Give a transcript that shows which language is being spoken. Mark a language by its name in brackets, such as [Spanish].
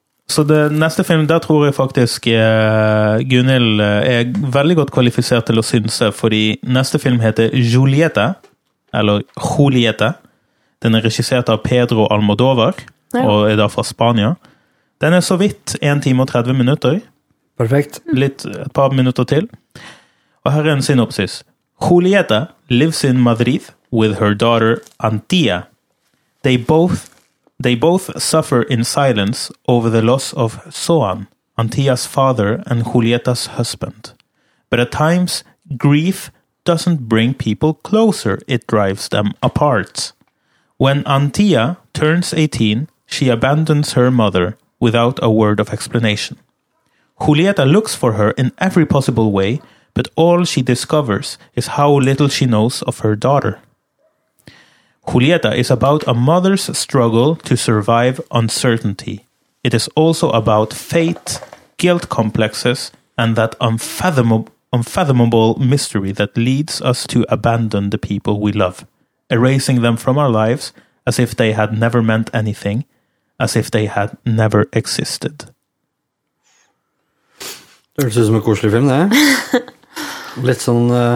[Swedish] Så det nästa film där tror jag faktiskt Gunnel är väldigt gott kvalificerad till att synse för i nästa film heter Julieta eller Julieta. Den är regisserad av Pedro Almodóvar och är där från Spanien. Den är så vitt 1 timme och 30 minuter. Perfekt. Lite ett par minuter till. Och här är en synopsis. [English] Julieta lives in Madrid with her daughter Antia. They both suffer in silence over the loss of Soan, Antia's father and Julieta's husband. But at times grief doesn't bring people closer, it drives them apart. When Antia turns 18, she abandons her mother without a word of explanation. Julieta looks for her in every possible way, but all she discovers is how little she knows of her daughter. Julieta is about a mother's struggle to survive uncertainty. It is also about fate, guilt complexes, and that unfathomable mystery that leads us to abandon the people we love. Erasing them from our lives as if they had never meant anything, as if they had never existed. [Norwegian] Det ser ut som en koselig film, det. Litt sånn